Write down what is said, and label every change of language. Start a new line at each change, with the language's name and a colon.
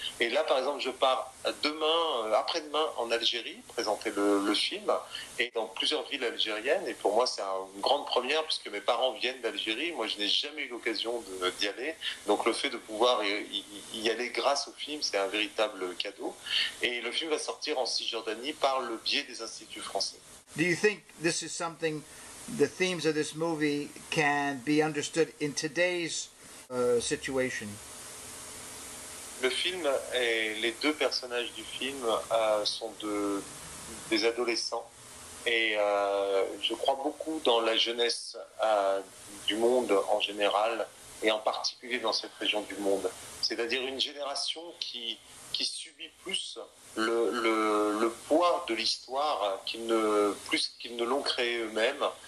French: Et là, par exemple, je pars après-demain en Algérie présenter le film et dans plusieurs villes algériennes. Et pour moi, c'est une grande première puisque mes parents viennent d'Algérie. Moi, je n'ai jamais eu l'occasion d'y aller. Donc, le fait de pouvoir y aller grâce au film, c'est un véritable cadeau. Et le film va sortir en Cisjordanie par le biais des instituts français.
English: Do you think this is something? The themes of this movie can be understood in today's situation.
French: Le film et les deux personnages du film sont des adolescents et je crois beaucoup dans la jeunesse du monde en général et en particulier dans cette région du monde. C'est-à-dire une génération qui subit plus le poids de l'histoire qu'ils ne l'ont créé eux-mêmes.